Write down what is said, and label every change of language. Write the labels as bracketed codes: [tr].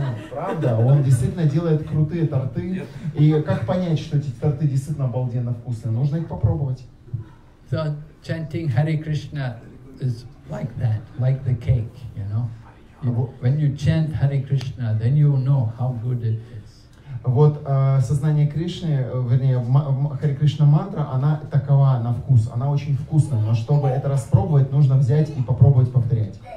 [ru] Правда, он действительно делает крутые торты. И как понять, что эти торты действительно обалденно вкусные? Нужно их попробовать. [en] Chanting Hare Krishna is like that, like the cake, you know. When you chant Hare Krishna, then you know how good it is. [ru] Вот сознание Кришны, вернее, Хари Кришна мантра, она такова на вкус, она очень вкусная, но чтобы это распробовать, нужно взять и попробовать повторять.